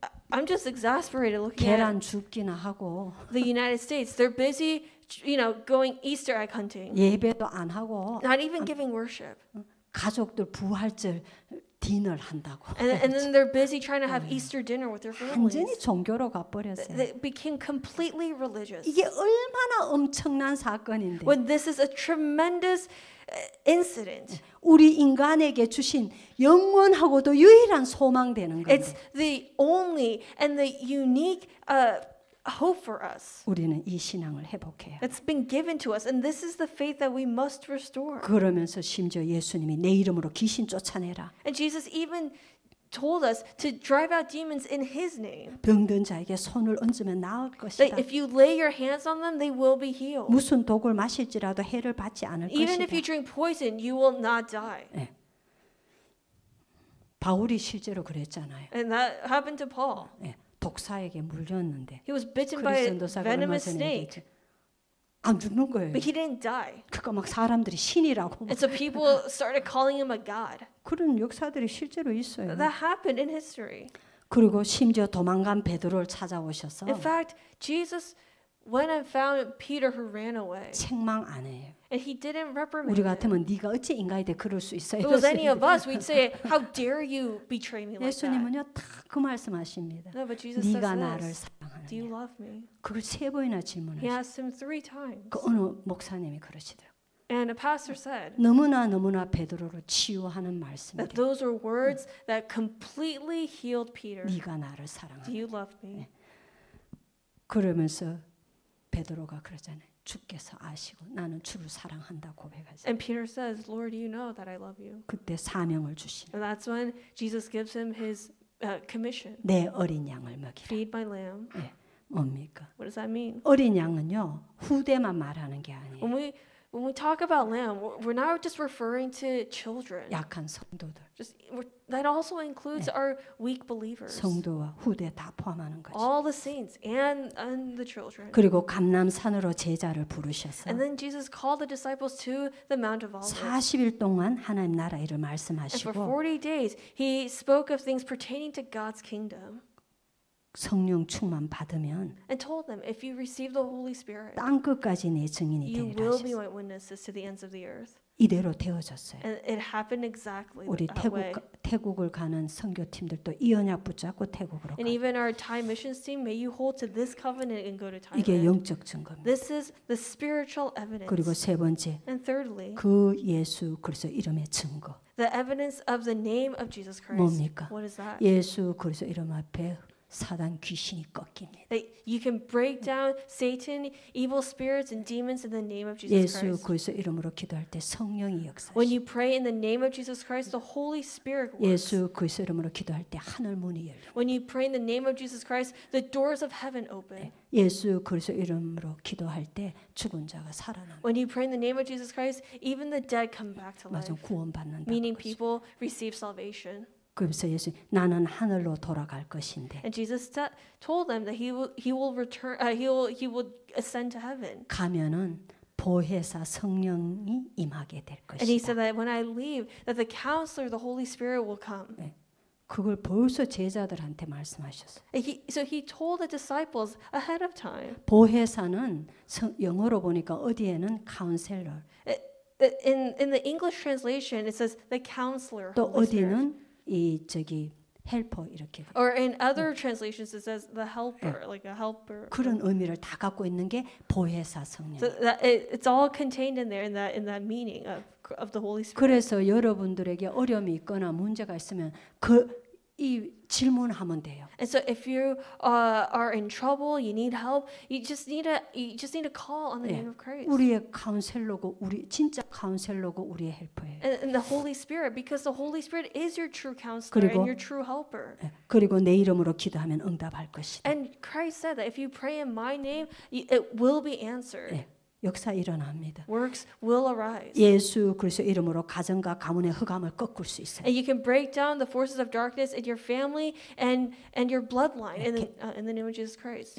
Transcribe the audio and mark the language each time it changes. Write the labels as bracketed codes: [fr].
[en] I'm just exasperated looking [ko] 계란 [en] at [ko] 죽기나 하고. [en] The United States, they're busy, you know, going Easter egg hunting. [ko] 예배도 안 하고. [en] Not even giving worship. [ko] 가족들 부활절 디너를 한다고. [en] And then they're busy trying to have Easter dinner with their families. [ko] 완전히 종교로 가버렸어요. [en] They became completely religious. [ko] 이게 얼마나 엄청난 사건인데. [en] When this is a tremendous incident. [ko] 우리 인간에게 주신 영원하고도 유일한 소망 되는 거예요. [en] It's the only and the unique hope for us. [ko] 우리는 이 신앙을 회복해요. [en] It's been given to us and this is the faith that we must restore. [ko] 그러면서 심지어 예수님이 내 이름으로 귀신 쫓아내라. [en] And Jesus even told us to drive out demons in his name. [ko] 병든 자에게 손을 얹으면 나을 것이다. [en] That if you lay your hands on them they will be healed. [ko] 무슨 독을 마실지라도 해를 받지 않을 [en] even [ko] 것이다. [en] Even if you drink poison you will not die. [ko] 네. 바울이 실제로 그랬잖아요. [en] And that happened to Paul. [ko] 네. 독사에게 물렸는데 [en] He was bitten by a venomous snake. [ko] 안 죽는 거예요. [en] But he didn't die. [ko] 그러니까 막 사람들이 신이라고. [en] And so people started calling him a god. [ko] 그런 역사들이 실제로 있어요. [en] That happened in history. [ko] 그리고 심지어 도망간 베드로를 찾아오셔서. [en] In fact, Jesus went and found Peter who ran away. [ko] 책망 안 해요. [en] And he didn't reprimand. [ko] 우리 같으면 네가 어찌 인간이 돼 그럴 수 있어요. [en] It was any of us. We'd say, How dare you betray me like that? [ko] 예수님은요, 딱 그 말씀하십니다. [en] No, but Jesus says, [ko] 네가 나를 사랑하느냐? [en] Do you love me? [ko] 그걸 세 번이나 질문하셨어요. [en] He asked him three times. [ko] 그 어느 목사님이 그러시더라고요. [en] And a pastor said, [ko] 너무나 너무나 베드로를 치유하는 말씀이 [en] That those were words that completely healed Peter. [ko] 네가 나를 사랑하냐? [en] Do you love me? [ko] 네. 그러면서 베드로가 그러잖아요. 주께서 아시고 나는 주를 사랑한다 고백하자. [en] And Peter says, Lord, you know that I love you. [ko] 그때 사명을 주시네. [en] And that's when Jesus gives him his commission. [ko] 내 어린 양을 먹이라. [en] Feed my lamb. [ko] 네. 뭡니까? [en] What does that mean? [ko] 어린 양은요. 후대만 말하는 게 아니에요. [en] When we talk about lamb, we're not just referring to children. [ko] 약한 성도들. [en] Just that also includes [ko] 네. [en] our weak believers. [ko] 성도와 후대 다 포함하는 거죠. [en] All the saints and the children. [ko] 그리고 감람산으로 제자를 부르셔서. [en] And then Jesus called the disciples to the Mount of Olives. [ko] 40일 동안 하나님 나라 일을 말씀하시고. [en] And for 40 days, he spoke of things pertaining to God's kingdom. [ko] 성령 충만 받으면 [en] And told them, if you receive the Holy Spirit, [ko] 땅 끝까지 내 증인이 되리라 [en] You will be my witnesses to the ends of the earth. [ko] 이대로 되어졌어요. [en] And it happened exactly that [ko] 우리 태국, [en] way. [ko] 태국을 가는 선교팀들도 이 언약 붙잡고 태국으로 [en] And [ko] 가. [en] Even our Thai missions team, may you hold to this covenant and go to Thailand. [ko] 이게 영적 증거입니다. [en] This is the spiritual evidence. [ko] 그리고 세 번째, [en] And thirdly, [ko] 그 예수 그리스도 이름의 증거. [en] The evidence of the name of Jesus Christ. [ko] 뭡니까? [en] What is that? [ko] 예수 그리스도 이름 앞에 사단 귀신이 꺾입니다. [en] That you can break down Satan, evil spirits, and demons in the name of Jesus [ko] 예수, [en] Christ. [ko] 예수 그리스도 이름으로 기도할 때 성령이 역사하시. [en] When you pray in the name of Jesus Christ, the Holy Spirit works. [ko] 예수 그리스도 이름으로 기도할 때 하늘 문이 열려. [en] When you pray in the name of Jesus Christ, the doors of heaven open. [ko] 예수 그리스도 이름으로 기도할 때 죽은 자가 살아납니다. [en] When you pray in the name of Jesus Christ, even the dead come back to life. [ko] 맞아, 구원받는다. [en] Meaning people receive salvation. [ko] 그래서 예수 나는 하늘로 돌아갈 것인데. [en] And Jesus told them that he will return he will ascend to heaven. [ko] 가면은 보혜사 성령이 임하게 될 것이다. [en] And he said that when I leave that the counselor the Holy Spirit will come. [ko] 네. 그걸 벌써 제자들한테 말씀하셨어요. [en] So he told the disciples ahead of time. [ko] 보혜사는 영어로 보니까 어디에는 counselor. [en] In the English translation, it says the counselor. [ko] 또 어디는 이 저기 helper 이렇게. [en] Or in other translations, it says the helper, [ko] 네. [en] like a helper. [ko] 그런 의미를 다 갖고 있는 게 보혜사 성령. [en] So that it's all contained in there in that meaning of. Of the Holy Spirit. [ko] 그래서 여러분들에게 어려움이 있거나 문제가 있으면 그 이 질문하면 돼요. [en] And so if you are in trouble, you need help, you just need to call on the [ko] 네. [en] name of Christ. [ko] 우리의 카운셀러고 우리 진짜 카운셀러고 우리의 헬퍼예요. [en] And the Holy Spirit, because the Holy Spirit is your true counselor [ko] 그리고, [en] and your true helper. [ko] 네. 그리고 내 이름으로 기도하면 응답할 것이다. [en] And Christ said that if you pray in my name, it will be answered. [ko] 네. 역사 일어납니다. [en] Works will arise. [ko] 예수 그리스도 이름으로 가정과 가문의 흑암을 꺾을 수 있어요. [en] And you can break down the forces of darkness in your family and your bloodline [ko] 네, [en] in the name of Jesus Christ.